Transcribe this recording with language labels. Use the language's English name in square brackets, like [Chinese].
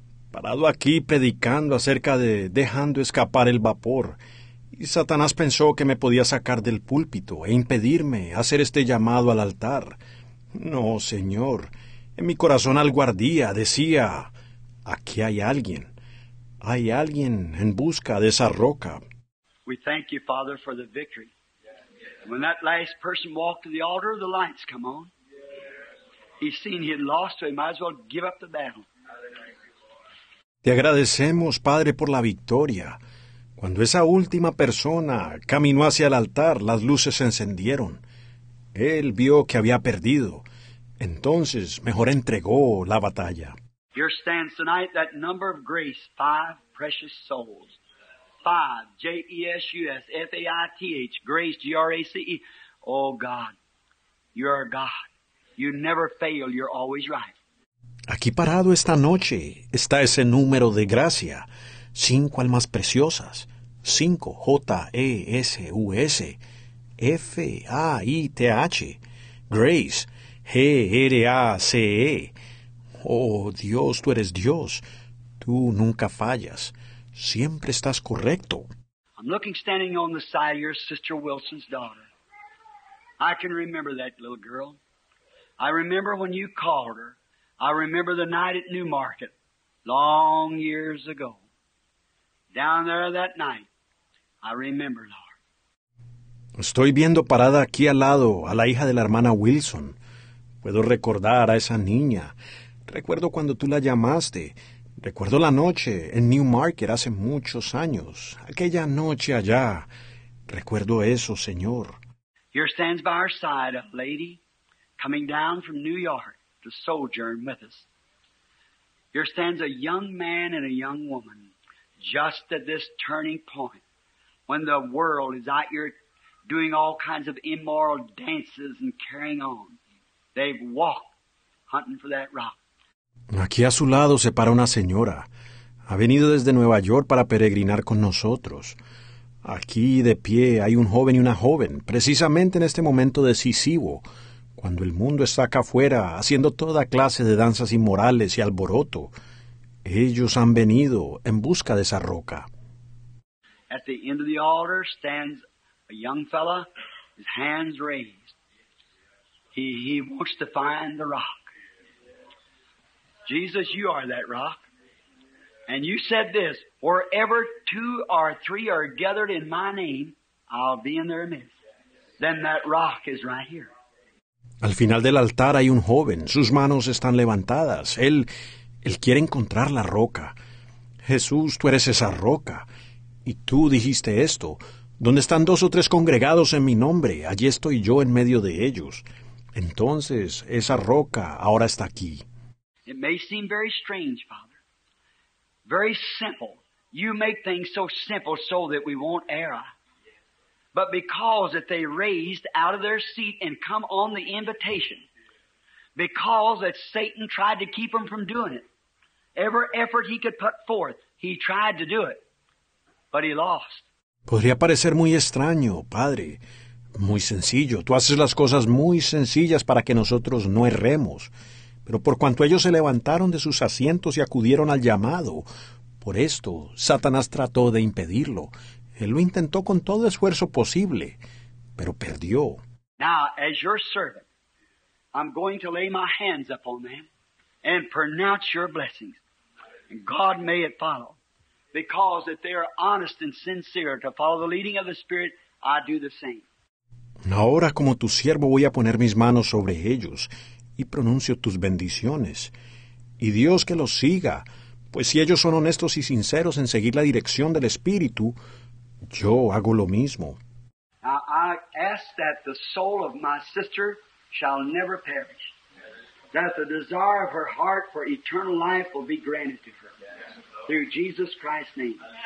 [Spanish] Parado aquí predicando acerca de dejando escapar el vapor, y Satanás pensó que me podía sacar del púlpito e impedirme hacer este llamado al altar. No, Señor, en mi corazón algo ardía, decía, aquí hay alguien en busca de esa roca. [English] We thank you, Father, for the victory. When that last person walked to the altar, the lights come on. He's seen he had lost, so he might as well give up the battle. [Spanish] Te agradecemos, Padre, por la victoria. Cuando esa última persona caminó hacia el altar, las luces se encendieron. Él vio que había perdido. Entonces, mejor entregó la batalla. [English] Here stands tonight that number of grace, five precious souls. Five, J-E-S-U-S, F-A-I-T-H, grace, G-R-A-C-E. Oh, God, you are God. You never fail, you're always right. [Spanish] Aquí parado esta noche está ese número de gracia. Cinco almas preciosas. Cinco, J-E-S-U-S, F-A-I-T-H, Grace, G-R-A-C-E. Oh, Dios, tú eres Dios. Tú nunca fallas. Siempre estás correcto. [English] I'm looking standing on the side of your sister Wilson's daughter. I can remember that little girl. I remember when you called her. I remember the night at Newmarket, long years ago. Down there that night, I remember, Lord. [Spanish] Estoy viendo parada aquí al lado a la hija de la hermana Wilson. Puedo recordar a esa niña. Recuerdo cuando tú la llamaste. Recuerdo la noche en Newmarket hace muchos años. Aquella noche allá. Recuerdo eso, Señor. [English] Here stands by our side a lady coming down from New York to sojourn with us. Here stands a young man and a young woman just at this turning point when the world is out here doing all kinds of immoral dances and carrying on. They've walked hunting for that rock. [Spanish] Aquí a su lado se para una señora. Ha venido desde Nueva York para peregrinar con nosotros. Aquí de pie hay un joven y una joven, precisamente en este momento decisivo, cuando el mundo está acá afuera haciendo toda clase de danzas inmorales y alboroto. Ellos han venido en busca de esa roca. [English] At the end of the altar stands a young fella, his hands raised. He wants to find the rock. Jesus, you are that rock. And you said this, wherever two or three are gathered in my name, I'll be in their midst. Then that rock is right here. [Spanish] Al final del altar hay un joven. Sus manos están levantadas. Él quiere encontrar la roca. Jesús, tú eres esa roca. Y tú dijiste esto. ¿Dónde están dos o tres congregados en mi nombre? Allí estoy yo en medio de ellos. Entonces, esa roca ahora está aquí. [English] It may seem very strange, Father. Very simple. You make things so simple so that we won't err. But because that they raised out of their seat and come on the invitation, because that Satan tried to keep them from doing it, every effort he could put forth, he tried to do it, but he lost. [Spanish] Podría parecer muy extraño, Padre, muy sencillo. Tú haces las cosas muy sencillas para que nosotros no erremos. Pero por cuanto ellos se levantaron de sus asientos y acudieron al llamado, por esto Satanás trató de impedirlo. Él lo intentó con todo esfuerzo posible, pero perdió. [English] Now, as your servant, I'm going to lay my hands upon them and pronounce your blessings. And God may it follow. Because if they are honest and sincere to follow the leading of the Spirit, I do the same. [Spanish] Ahora, como tu siervo, voy a poner mis manos sobre ellos y pronuncio tus bendiciones. Y Dios que los siga, pues si ellos son honestos y sinceros en seguir la dirección del Espíritu, yo hago lo mismo. [English] Now, I ask that the soul of my sister shall never perish, that the desire of her heart for eternal life will be granted to her, through Jesus Christ's name.